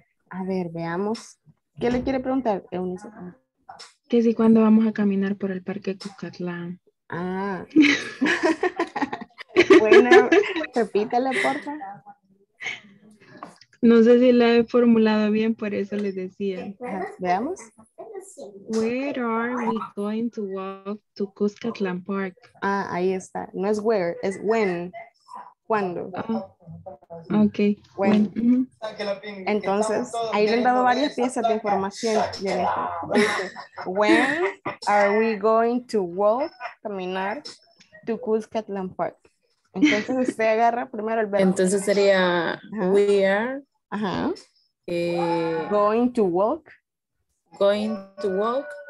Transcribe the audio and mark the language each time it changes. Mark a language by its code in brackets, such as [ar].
[es] A ver, veamos. ¿Qué le quiere preguntar, Eunice? Que si cuando vamos a caminar por el parque Cuscatlán. Ah. Bueno, repítale, porfa. No sé si la he formulado bien, por eso les decía. Veamos. [en] Where are we going to walk to Cuscatlán Park? [es] Ah, ahí está. No es where, es when. ¿Cuándo? [en] Oh, ok. When. [es] Entonces, ahí le han dado varias piezas de información. [en] When are we going to walk, caminar, to Cuscatlán Park? [es] Entonces, usted agarra primero el verbo. Entonces, sería [en] we are. Uh-huh. Going to walk. Going to walk.